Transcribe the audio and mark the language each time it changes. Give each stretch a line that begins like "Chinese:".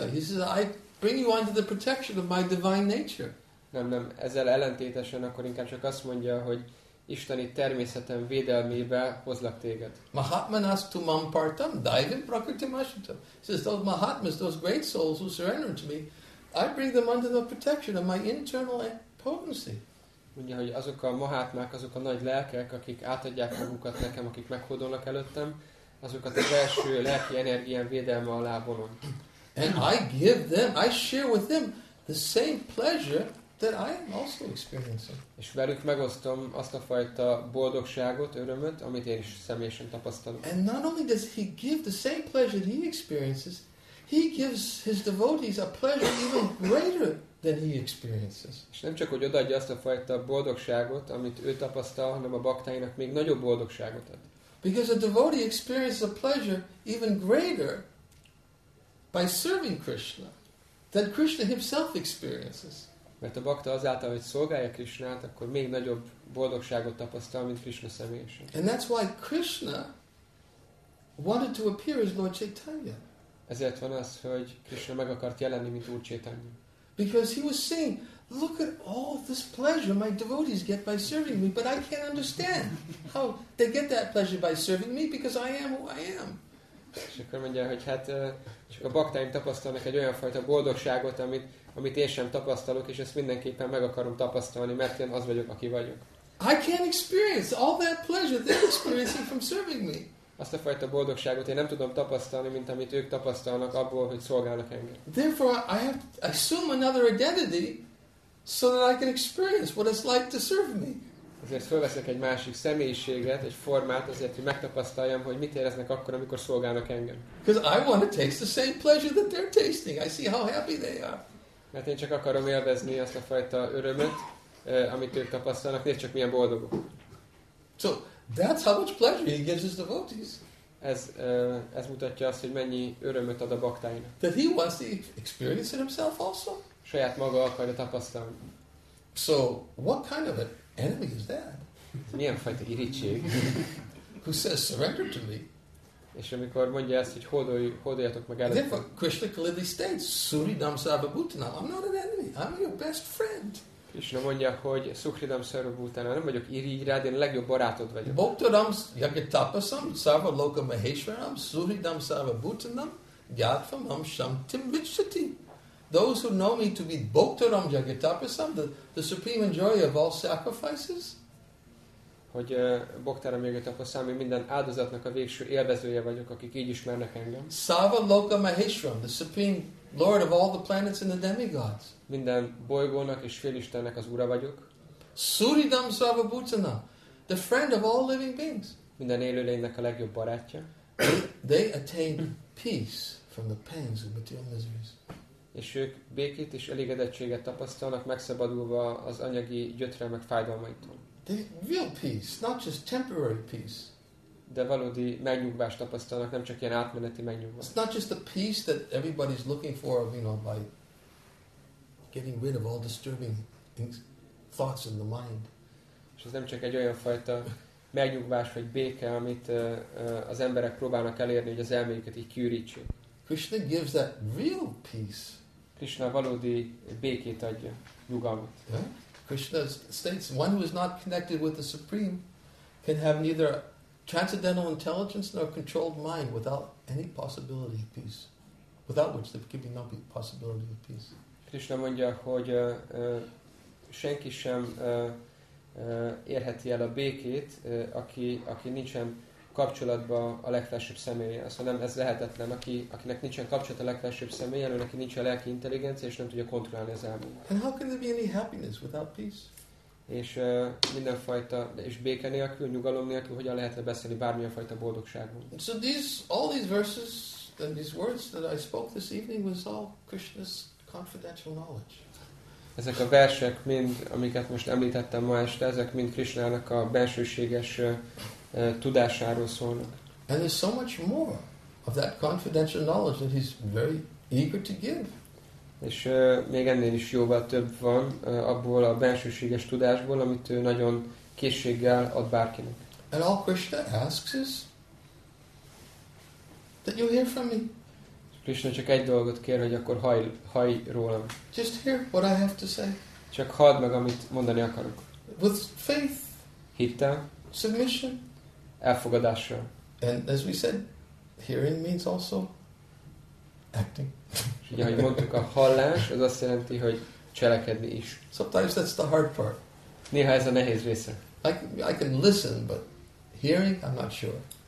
English: He says, I bring you under the protection of my divine nature.
Hungarian: Nem, ezzel ellentétesen akkor inkább csak azt mondja, hogy isteni természetem védelmébe hozlak téged.
Sanskrit: Mahatmanas tumam partam, daivam prakritam ashrita.
English: He says, those mahatmas, those great souls who surrender to me, I bring them under the protection of my internal potency.
Hungarian: Ugye, hogy azok a mahátmák, azok a nagy lelkek, akik átadják magukat nekem, akik meghódolnak előttem, azokat a belső lelki energián védelme alá vonom.
English: And I give them, I share with them the same pleasure that I am also experiencing.
Hungarian: És velük megosztom azt a fajta boldogságot, örömöt, amit én is személyesen tapasztalom.
English: And not only does he give the same pleasure that he experiences, he gives his devotees a pleasure even greater than he experiences.
Hungarian: És nem csak, hogy odaadja azt a fajta boldogságot, amit ő tapasztal, hanem a baktáinak még nagyobb boldogságot ad.
English: Because a devotee experiences a pleasure even greater by serving Krishna than Krishna himself experiences.
Hungarian: Mert a bakta azáltal, hogy szolgálja Krishnát, akkor még nagyobb boldogságot tapasztal, mint Krishna személyesen.
English: And that's why Krishna wanted to appear as Lord Chaitanya.
Hungarian: Ezért van az, hogy Krishna meg akart jelenni, mint Úr Chaitanya.
English: Because he was saying, look at all this pleasure my devotees get by serving me, but I can't understand how they get that pleasure by serving me, because I am who I am.
Hungarian: És akkor mondja, hogy hát csak a baktáim tapasztalnak egy olyan fajta boldogságot, amit én sem tapasztalok, és ezt mindenképpen meg akarom tapasztalni, mert én az vagyok, aki vagyok.
English: I can't experience all that pleasure they're experiencing from serving me.
Hungarian: Azt a fajta boldogságot én nem tudom tapasztalni, mint amit ők tapasztalnak abból, hogy szolgálnak engem.
English: Therefore, I have to assume another identity so that I can experience what it's like to serve me.
Hungarian: Ezért fölveszek egy másik személyiséget, egy formát, azért, hogy megtapasztaljam, hogy mit éreznek akkor, amikor szolgálnak engem.
English: Because I want to taste the same pleasure that they're tasting. I see how happy they are.
Hungarian: Mert én csak akarom élvezni azt a fajta örömöt, amit ők tapasztalnak, nézd csak milyen boldogok.
English: So, that's how much pleasure he gives his devotees.
Hungarian: Ez mutatja azt, hogy mennyi örömöt ad a baktáinak.
English: That he wants to experience it himself also.
Hungarian: Saját maga akarja tapasztalni.
English: So, what kind of an enemy is that?
Hungarian: Milyen fajta irítség?
English: Who says surrender to me?
Hungarian: És amikor mondja ezt, hogy hódoljatok meg előttem.
English: Therefore, Krishna clearly states,
Sanskrit: Suridam Sarvabhutana,
English: I'm not an enemy, I'm your best friend.
Hungarian: Krishna mondja, hogy
Sanskrit: Sukhridam Sarvabhutana,
Hungarian: nem vagyok irigyrád, én a legjobb barátod vagyok.
Sanskrit: Bhoktaram Yagyatapasam Sarvaloka Maheshwaram Suridam Sarvabhutanam Gyatvamam Shantim Vichyati.
English: Those who know me to be
Sanskrit: Bhoktaram Yagyatapasam,
English: the supreme enjoyer of all sacrifices.
Hungarian: hogy
Sanskrit: Bhaktaram Yogita Goswami
Hungarian: minden áldozatnak a végső élvezője vagyok, akik így ismernek engem.
Sanskrit: Sava Loka Maheshram,
English: the supreme lord of all the planets and the demigods.
Hungarian: Minden bolygónak és félistennek az ura vagyok.
Sanskrit: Suridam Sava Bhutana,
English: the friend of all living beings.
Hungarian: Minden élőlénynek a legjobb barátja.
English: They attain peace from the pains of material miseries.
Hungarian: És ők békét és elégedettséget tapasztalnak, megszabadulva az anyagi gyötrelmek fájdalmaitól.
English: The real peace, not just temporary peace.
Hungarian: De valódi megnyugvást tapasztalnak, nem csak ilyen átmeneti megnyugvást.
English: It's not just the peace that everybody's looking for, you know, by getting rid of all disturbing things, thoughts in the mind.
Hungarian: És ez nem csak egy olyan fajta megnyugvás vagy béke, amit az emberek próbálnak elérni, hogy az elméjüket így kiürítsék.
English: Krishna gives that real peace.
Hungarian: Krishna valódi békét adja, nyugalmat.
English: Yeah? Krishna states, one who is not connected with the Supreme can have neither transcendental intelligence nor controlled mind without any possibility of peace. Without which there could be no possibility of peace.
Hungarian: Krishna mondja, hogy senki sem érheti el a békét, aki nincsen kapcsolatba a legfelsőbb személye. Szóval nem, ez lehetetlen. Akinek nincsen kapcsolat a legfelsőbb személye, ő neki nincs a lelki intelligencia, és nem tudja kontrollálni az elmét.
English: And how can there be any happiness without peace?
Hungarian: És mindenfajta, és béke nélkül, nyugalom nélkül, hogyan lehetne beszélni bármilyen fajta boldogságban.
English: So all these verses and these words that I spoke this evening was all Krishna's confidential knowledge.
Hungarian: Ezek a versek mind, amiket most említettem ma este, ezek mind Krishnának a bensőséges tudásáról szólnak.
English: And there's so much more of that confidential knowledge that he's very eager to give.
Hungarian: És még ennél is jóval több van abból a bensőséges tudásból, amit ő nagyon készséggel ad bárkinek.
English: And all Krishna asks is that you hear from me.
Hungarian: Krishna csak egy dolgot kér, hogy akkor hallj rólam.
English: Just hear what I have to say.
Hungarian: Csak halld meg, amit mondani akarok.
English: With faith.
Hungarian: Hittel.
English: Submission.
Hungarian: Elfogadással.
English: And as we said, hearing means also acting.
Hungarian: És ugye, ahogy mondtuk, a hallás, az azt jelenti, hogy cselekedni is.
English: Sometimes that's the hard part.
Hungarian: Néha ez a nehéz része.
English: I can listen, but hearing, I'm not sure.